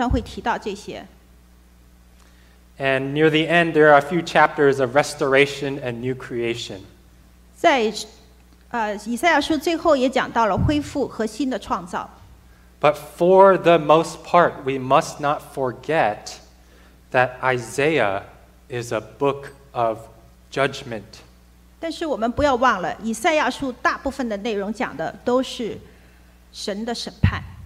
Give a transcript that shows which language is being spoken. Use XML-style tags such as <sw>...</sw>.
<zh>我们在圣诞期间常常会提到这些。</zh> <en>And near the end, there are a few chapters of restoration and new creation.</en> <zh>在以赛亚书最后也讲到了恢复和新的创造。</zh> <en>But for the most part, we must not forget that Isaiah is a book of judgment.</en> <zh>但是我们不要忘了，以赛亚书大部分的内容讲的都是神的审判。</zh>